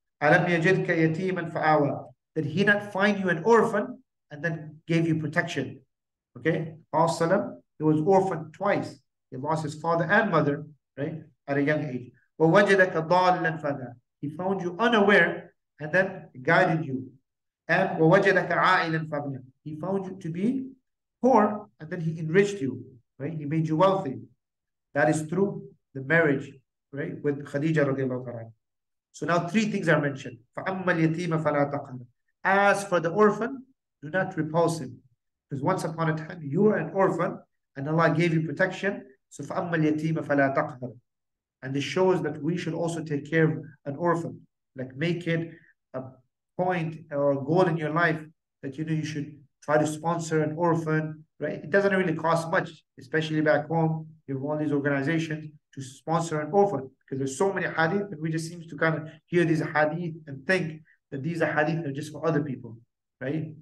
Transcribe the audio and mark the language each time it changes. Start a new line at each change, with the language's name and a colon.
Arabic: أَلَمْ يَجِدْكَ يَتِيمًا فَآوَى,
English: did he not find you an orphan and then gave you protection? Okay, Prophet, he was orphaned twice. He lost his father and mother, right, at a young age.
Arabic: وَوَجَدَكَ ضَالًّا فَدَى.
English: He found you unaware and then guided you.
Arabic: And وَوَجَدَكَ عَائِلًا فَغْنَى.
English: He found you to be poor and then he enriched you, right? He made you wealthy. That is through the marriage, right, with Khadija radiallahu ta'ala. So now three things are mentioned.
Arabic: فَأَمَّا الْيَتِيمَ فَلَا تَقْهَرْ.
English: As for the orphan, do not repulse him. Because once upon a time, you are an orphan and Allah gave you protection.
Arabic: So فَأَمَّا الْيَتِيمَ فَلَا تَقْهَرْ.
English: And this shows that we should also take care of an orphan. Like make it a point or a goal in your life that you know you should try to sponsor an orphan, right? It doesn't really cost much, especially back home. You have all these organizations to sponsor an orphan because there's so many hadith that we just seem to kind of hear these hadith and think that these are hadith that are just for other people, right?